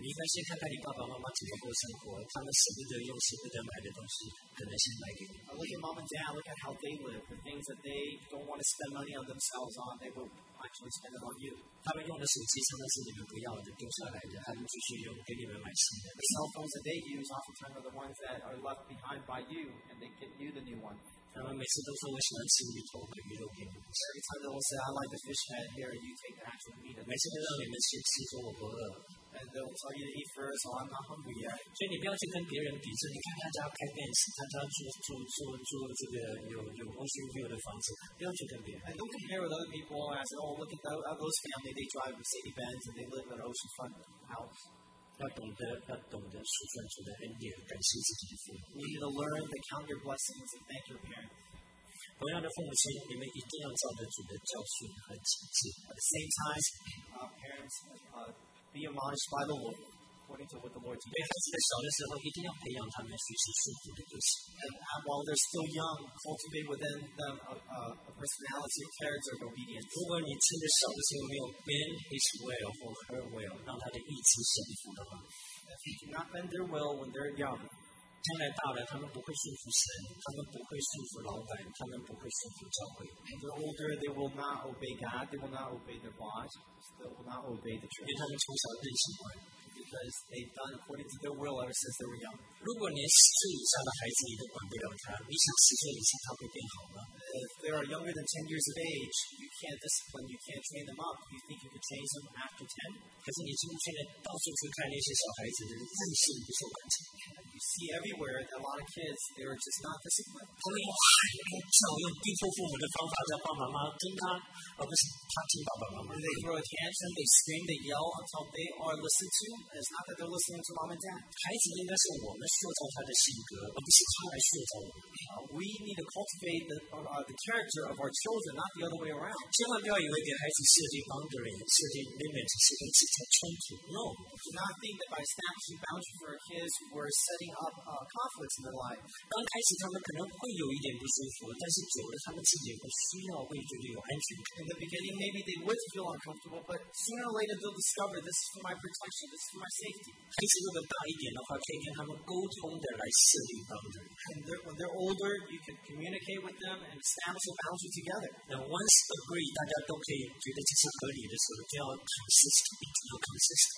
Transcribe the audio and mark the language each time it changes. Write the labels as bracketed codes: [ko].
[en] Look at mom and dad, look at how they live. The things that they don't want to spend money on themselves on, they will actually spend it on you. The cell phones that they use oftentimes are the ones that are left behind by you and they give you the new one. [zh] 然后每次都说我喜欢吃鱼头跟鱼肉片。 [en] Every time they will say I like the fish head here, you take the actual meat. [zh] 每次都让你们先吃，说我不饿。 [en] And they will tell you to eat first, or I'm not hungry yet. [zh] 所以你不要去跟别人比，说你看他家开店，看他住这个有 ocean view 的房子，不要去跟别人。 [en] And don't compare with other people. I said, oh, look at those family. They drive Mercedes Benz and they live in an ocean front house. [zh] 要懂得数算出的恩典，感谢自己的父母。 [en] You need to learn to count your blessings and thank your parents. [zh] 同样的父母亲，你们一定要照着主的教训和启示。 [en] At the same time, parents, be admonished by the Lord, according to what the Lord teaches. [zh] 对孩子的小的时候，一定要培养他们随时顺服的个性。 [en] And while they're still young, cultivate within them a personality of character and obedience. [zh] 如果你趁着小的时候没有 [en] bend his will or her will, [zh] 让他的意志顺服的话。 [en] If you do not bend their will when they're young, [zh] 将来大了，他们不会顺服神，他们不会顺服老板，他们不会顺服教会。 [en] When they're older, they will not obey God, they will not obey their boss, they will not obey the church. [zh] 因为他们从小任性惯了。 [en] Because they've done according to their will ever since they were young. [zh] 如果连十岁以下的孩子你都管不了他，你想十岁以下他会变好吗？ [en] If they are younger than 10 years of age, you can't discipline, you can't train them up. You think you can change them after 10? [zh] 可是你今天到处去看那些小孩子的任性不受管制。 [en] You see everywhere that a lot of kids, they are just not disciplined. [zh] 他们想用逼迫父母的方法在爸爸妈妈听他，而不是他听爸爸妈妈。 [en] They throw a tantrum, they scream, they yell until they are listened to. It's not that they're listening to mom and dad. [zh] 孩子应该是我们塑造他的性格，而不是他来塑造我们。 [en] We need to cultivate the character of our children, not the other way around. [zh] 千万不要以为给孩子设定 boundary, 设定 limit 是跟自己冲突。No. [en] Do not think that by establishing boundaries for kids, we're setting up conflicts in their life. [zh] 刚开始他们可能会有一点不舒服，但是久了他们自己会需要会觉得有安全感。 [en] In the beginning, maybe they would feel uncomfortable, but sooner or later they'll discover this is for my protection. This is for my safety. [zh] 孩子如果大一点的话，可以跟他们沟通的来设定 boundary. [en] And when they're older, you can communicate with them and establish a boundary together. Now, once agreed, [zh] 大家都可以觉得这是合理的时候，就要 consist, 一定要 consist.